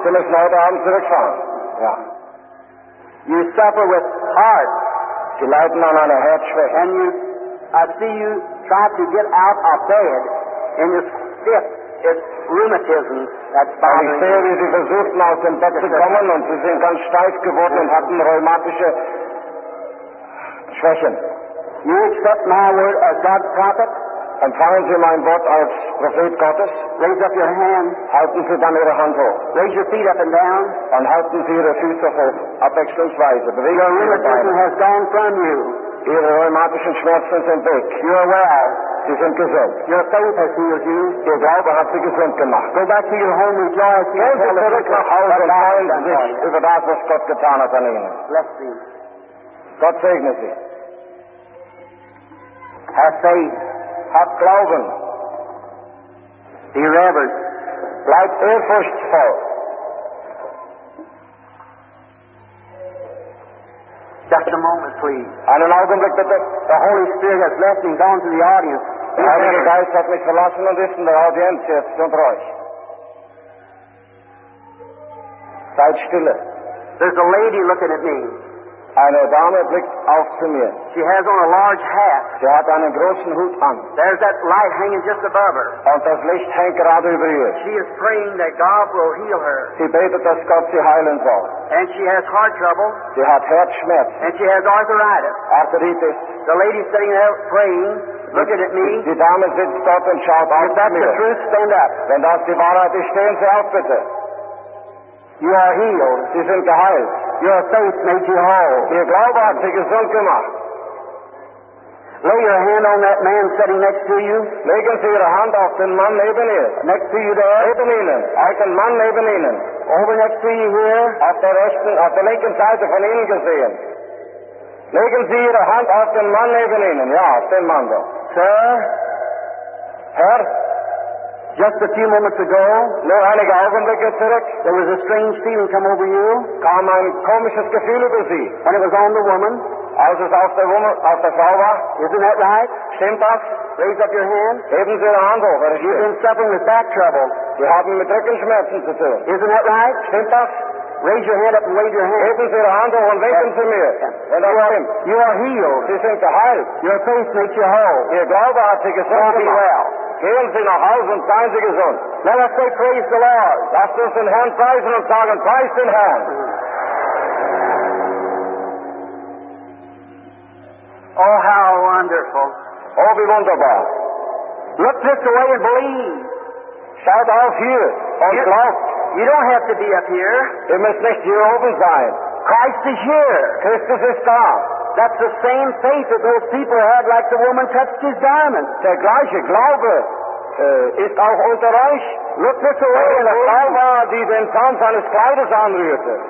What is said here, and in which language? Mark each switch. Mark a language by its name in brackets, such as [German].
[German] Sie müssen heute Abend zurückfahren. Ja. [English] You suffer with heart. [German] Sie leiden an einer Herzschwäche. [English] And you, I see you try to get out of bed and you're stiff. It's rheumatism that's bothering you. [German] Ich sehe, wie Sie versuchen, aus dem Bett zu kommen und Sie sind ganz steif geworden und hatten rheumatische Schwächen. [English] You accept my word as God's prophet? [German] Empfangen Sie mein Wort als Prophet Gottes? [English] Raise up your hand. [German] Halten Sie dann Ihre Hand hoch. [English] Raise your feet up and down. [German] Und halten Sie Ihre Füße hoch, abwechslungsweise. [English] Your rheumatism has gone from you. [German] Ihre rheumatischen Schmerzen sind weg. [English] You are well. [German] Sie sind gesund. [English] Your faith has healed you. [German] Ihr Glaube hat Sie gesund gemacht. [English] Go back to your home with joy. [German] Gehen Sie zurück nach Hause und freuen Sie sich über das, was Gott getan hat an Ihnen. [English] Bless [German] Sie. Gott segne Sie. [English] Have faith. [German] Hab Glauben. [English] Be reverent. [German] Bleib ehrfurchtsvoll. [English] Just a moment, please. [German] Einen Augenblick, bitte. [English] The Holy Spirit has left me gone to the audience. [German] Der Heilige Geist hat mich verlassen und ist in der Audienz jetzt unter euch. Seid stille. [English] There's a lady looking at me. [German] Eine Dame blickt auf zu mir. [English] She has on a large hat. [German] Sie hat einen großen Hut an. [English] There's that light hanging just above her. [German] Und das Licht hängt gerade über ihr. [English] She is praying that God will heal her. [German] Sie betet, dass Gott sie heilen soll. [English] And she has heart trouble. [German] Sie hat Herzschmerz. [English] And she has arthritis. [German] Arthritis. [English] The lady sitting there praying, looking at me. [German] Die Dame sitzt dort und schaut auf mir. [English] If that's the truth, stand up. [German] Wenn das die Wahrheit ist, stehen Sie auf, bitte. [English] You are healed. [German] Sie sind geheilt. [English] Your faith made you whole. [German] Ihr Glaube hat Sie gesund gemacht. [English] Lay your hand on that man sitting next to you. [German] Legen Sie Ihre Hand auf den Mann neben Ihnen. [English] Next to you there. [German] Neben Ihnen. Auf den Mann neben Ihnen. [English] Over next to you here. [German] Auf der rechten, auf der linken Seite von Ihnen gesehen. Legen Sie Ihre Hand auf den Mann neben Ihnen. Ja, auf den Mann da. [English] Sir. [German] Herr. [English] Just a few moments ago, [German] nur einige Augenblicke zurück, [English] there was a strange feeling come over you. [German] Kam ein komisches Gefühl über Sie. [English] When it was on the woman, [German] als es auf der Woman, auf der Frau war. [English] Isn't that right? [German] Stimmt das? [English] Raise up your hand. [German] Heben Sie Ihre Hand hoch. [English] You've been suffering with back trouble. [German] Wir haben mit Rückenschmerzen zu tun. [English] Isn't that right? [German] Stimmt das? [English] Raise your hand up and wave your hand. [German] Heben Sie Ihre Hand hoch und winken Sie mir. [English] You are healed. [German] Sie sind geheilt. [English] Your faith makes you whole. [German] Ihr Glaube hat Sie gesund gemacht. [English] Be well. [German] Gehen Sie nach Hause und seien Sie gesund. [English] Let us say praise the Lord. [German] Lasst uns den Herrn preisen und sagen, preis den Herrn. [English] Oh, how wonderful. [German] Oh, wie wunderbar. [English] Look this way and believe. [German] Schaut auf hier und glaubt. [English] You don't have to be up here. [German] Ihr müsst nicht hier oben sein. [English] Christ is here. [German] Christus ist da. [English] That's the same faith that those people had, like the woman touched his garment. [German] Der gleiche Glaube ist auch unter euch. [English] Look this way in the [German] Glaube, die den Zaun seines Kleides anrührte.